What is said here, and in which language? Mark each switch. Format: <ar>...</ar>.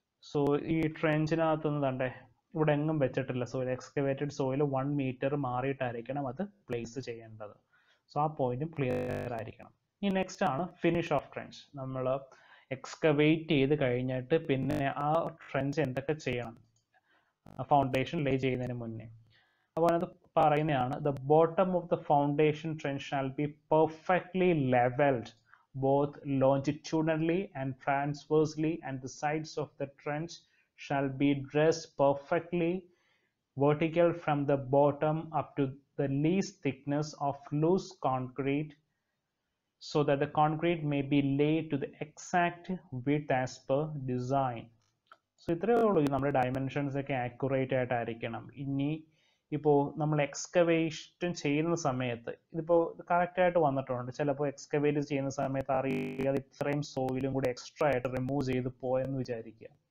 <ml>So ഈ ട്രെഞ്ചിനകത്തുനിന്ന് ഇവിടെ എങ്ങും വെച്ചിട്ടില്ല സോയിൽ, എക്സ്കവേറ്റഡ് സോയിൽ 1 meter മാറിയിട്ടായിരിക്കണം അത് പ്ലേസ് ചെയ്യേണ്ടത്. സോ ആ പോയിന്റും ക്ലിയർ ആയിരിക്കണം. ഇനി നെക്സ്റ്റ് ആണ് ഫിനിഷ് ഓഫ് ട്രെഞ്ച്. നമ്മൾ എക്സ്കവേറ്റ് ചെയ്ത് കഴിഞ്ഞിട്ട് പിന്നെ ആ ട്രെഞ്ച് എന്തൊക്കെ ചെയ്യണം ഫൗണ്ടേഷൻ ലേ ചെയ്യുന്നതിന് മുന്നേ. അപ്പോൾ അത് പറയുന്നതാണ്,</ml> <en>The bottom of the foundation trench shall be perfectly levelled both longitudinally and transversely, and the sides of the trench shall be dressed perfectly vertical from the bottom up to the least thickness of loose concrete so that the concrete may be laid to the exact width as per design.</en> <ml>So ഇത്രയേ ഉള്ളൂ, നമ്മുടെ dimensions ഒക്കെ accurate ആയിട്ട് ആയിരിക്കണം. ഇനി ഇപ്പോൾ നമ്മൾ excavation ചെയ്യുന്ന സമയത്ത് ഇതിപ്പോൾ കറക്റ്റ് ആയിട്ട് വന്നിട്ടുണ്ട്, ചിലപ്പോൾ എക്സ്കവേറ്റ് ചെയ്യുന്ന സമയത്ത് അറിയാതെ ഇത്രയും സോയിലും കൂടി എക്സ്ട്രാ ആയിട്ട് റിമൂവ് ചെയ്ത് പോയെന്ന് വിചാരിക്കുക.</ml>